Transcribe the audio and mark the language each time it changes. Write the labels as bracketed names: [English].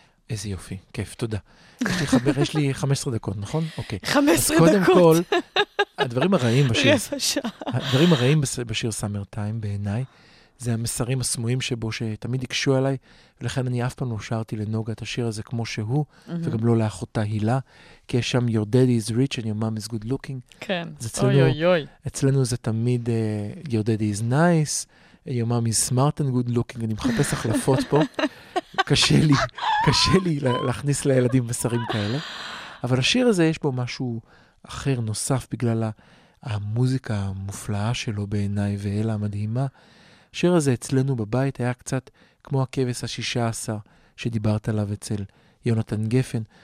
[Hebrew] איזה יופי, כיף, תודה. יש לי 15 דקות, נכון? אוקיי. 15 דקות. אז קודם כל, הדברים הרעים בשיר, רבע שעה. הדברים הרעים בשיר Summer Time, בעיניי, זה המסרים הסמויים שבו שתמיד יקשו עליי, ולכן אני אף פעם לא שרתי לנוגה את השיר הזה כמו שהוא, mm-hmm. וגם לא לאחותה הילה, כי יש שם [English] Your Daddy is Rich and Your Mom is Good Looking. [Hebrew] כן, אצלנו, אוי אוי אוי. אצלנו זה תמיד [English] Your Daddy is Nice, Your Mom is Smart and Good Looking, [Hebrew] אני מחפש החלפות פה, קשה לי להכניס לילדים מסרים כאלה. אבל השיר הזה יש בו משהו אחר נוסף, בגלל המוזיקה המופלאה שלו בעיניי, ואלה המדהימה, השיר הזה אצלנו בבית היה קצת כמו הכבש ה-16 שדיברת עליו אצל יונתן גפן.